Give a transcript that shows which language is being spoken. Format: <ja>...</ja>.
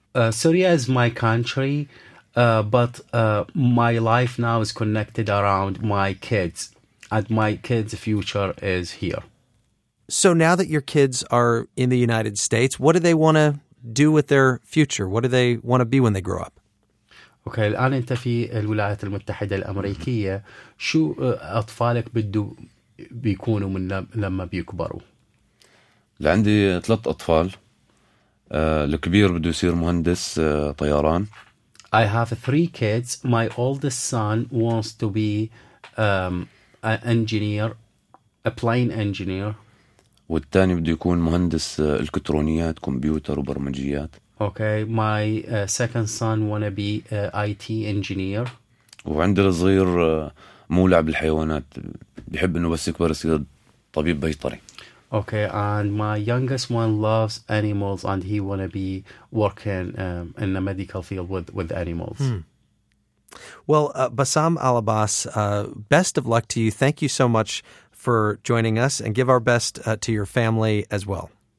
<en>سوريا is my country, but my life now is connected around my kids, and my kids' future is here. So now that your kids are in the United States, what do they want to do with their future? What do they want to be when they grow up?</en> <ar>Okay, الآن أنت في الولايات المتحدة الأمريكية، شو أطفالك بدو بيكونوا من لما بيكبروا؟ لعندي ثلاث أطفال. الكبير بدو يصير مهندس طيران.</ar> <en>I have three kids. My oldest son wants to be an engineer, a plane engineer.</en> <ar>والثاني بده يكون مهندس الكترونيات كمبيوتر وبرمجيات.</ar> <en>Okay, my second son wanna be IT engineer.</en> <ar>وعندي الصغير مولع بالحيوانات، بيحب انه بس يكبر يصير طبيب بيطري.</ar> <en>Okay, and my youngest one loves animals and he wanna be working in the medical field with animals. Well, Bassam Al Abbas, best of luck to you. Thank you so much for joining us, and give our best to your family as well.</en>